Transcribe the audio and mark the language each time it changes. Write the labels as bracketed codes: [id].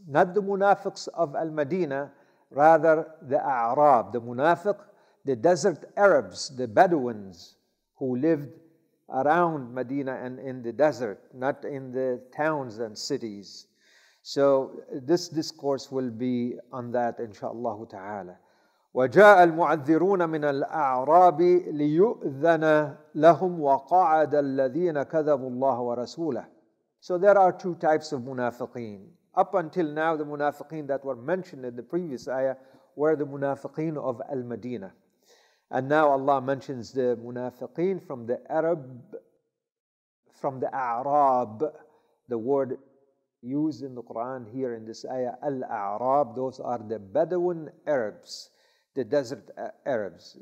[en] Not the munafiqs of Al-Madinah, rather the A'rab, the munafiq, the desert Arabs, the Bedouins who lived around Medina and in the desert, not in the towns and cities. So this discourse will be on that, inshallah ta'ala. [ar] وَجَاءَ الْمُعَذِّرُونَ مِنَ الْأَعْرَابِ لِيُؤْذَنَ لَهُمْ وَقَعَدَ الَّذِينَ كَذَبُوا اللَّهَ وَرَسُولَهُ. [en] So there are two types of munafiqeen. Up until now, the munafiqeen that were mentioned in the previous ayah were the munafiqeen of Al-Madinah. And now Allah mentions the munafiqeen from the Arab, from the A'rab, the word used in the Quran here in this ayah, Al-A'rab, those are the Bedouin Arabs, the desert Arabs.